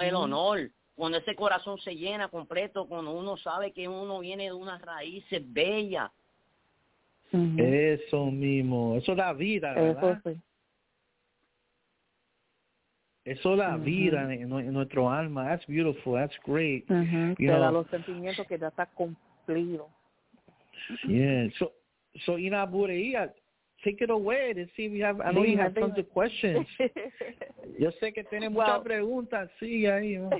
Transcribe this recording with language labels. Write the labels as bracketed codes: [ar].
[es] el honor, cuando ese corazón se llena completo, cuando uno sabe que uno viene de unas raíces bellas. Uh-huh. Eso mismo, eso da vida, ¿verdad? Eso sí. Eso la uh-huh. vida en nuestro alma. [en] That's beautiful, that's great. Uh-huh. [es] Te da los sentimientos que ya está cumplido. [en] Yeah, So Ina Bureia, take it away to see if you have, I know you have tons of questions. [es] Yo sé que tiene muchas preguntas, sí, ahí.